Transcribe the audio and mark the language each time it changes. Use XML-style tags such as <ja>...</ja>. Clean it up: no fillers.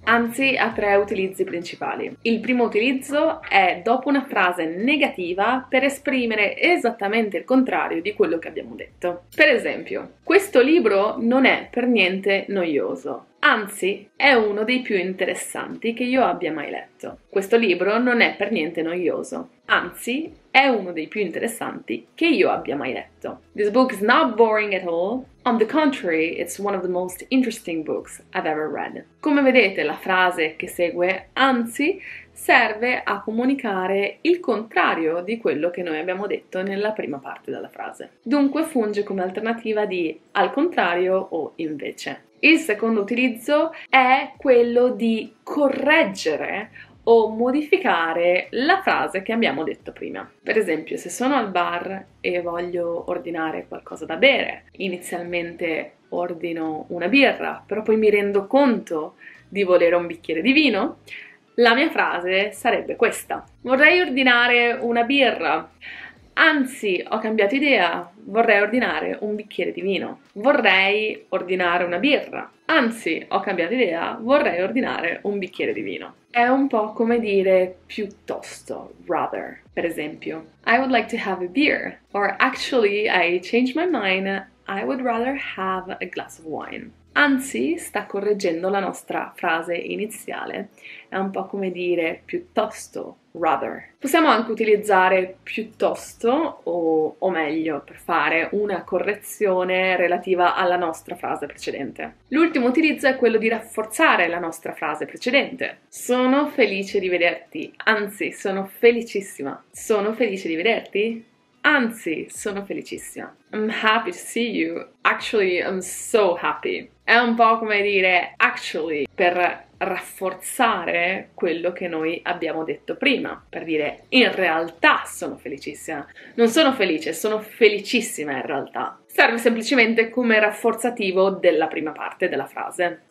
<it>Anzi ha tre utilizzi principali. Il primo utilizzo è dopo una frase negativa per esprimere esattamente il contrario di quello che abbiamo detto. Per esempio, questo libro non è per niente noioso. Anzi, è uno dei più interessanti che io abbia mai letto. Questo libro non è per niente noioso. Anzi, è uno dei più interessanti che io abbia mai letto.</it> <en>This book is not boring at all. On the contrary, it's one of the most interesting books I've ever read.</en> <it>Come vedete, la frase che segue, anzi, serve a comunicare il contrario di quello che noi abbiamo detto nella prima parte della frase. Dunque, funge come alternativa di al contrario o invece. Il secondo utilizzo è quello di correggere o modificare la frase che abbiamo detto prima. Per esempio, se sono al bar e voglio ordinare qualcosa da bere, inizialmente ordino una birra, però poi mi rendo conto di volere un bicchiere di vino, la mia frase sarebbe questa. Vorrei ordinare una birra. Anzi, ho cambiato idea, vorrei ordinare un bicchiere di vino. Vorrei ordinare una birra. Anzi, ho cambiato idea, vorrei ordinare un bicchiere di vino. È un po' come dire piuttosto, rather. Per esempio,</it> <en>I would like to have a beer. Or actually, I changed my mind, I would rather have a glass of wine.</en> <it>Anzi, sta correggendo la nostra frase iniziale. È un po' come dire piuttosto. Rather. Possiamo anche utilizzare piuttosto o meglio per fare una correzione relativa alla nostra frase precedente. L'ultimo utilizzo è quello di rafforzare la nostra frase precedente. Sono felice di vederti, anzi, sono felicissima. Sono felice di vederti, anzi, sono felicissima.</it> <en>I'm happy to see you, actually, I'm so happy.</en> <it>È un po' come dire actually per rafforzare quello che noi abbiamo detto prima, per dire in realtà sono felicissima. Non sono felice, sono felicissima in realtà. Serve semplicemente come rafforzativo della prima parte della frase.</it>